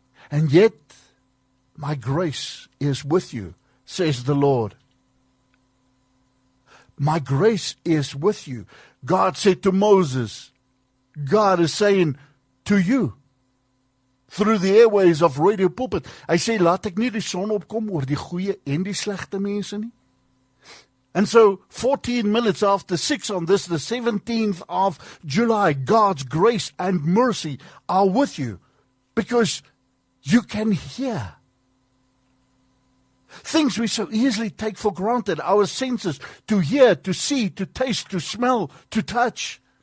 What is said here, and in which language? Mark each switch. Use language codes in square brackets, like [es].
[en] And yet, my grace is with you, says the Lord. My grace is with you. God said to Moses, God is saying, to you through the airways of Radio Pulpit. [af] Hy sê, laat ek nie die son opkom oor die goeie en die slegte mense nie. [en] And so 14 minutes after 6 on this, the 17th of July, God's grace and mercy are with you because you can hear things we so easily take for granted, our senses to hear, to see, to taste, to smell, to touch.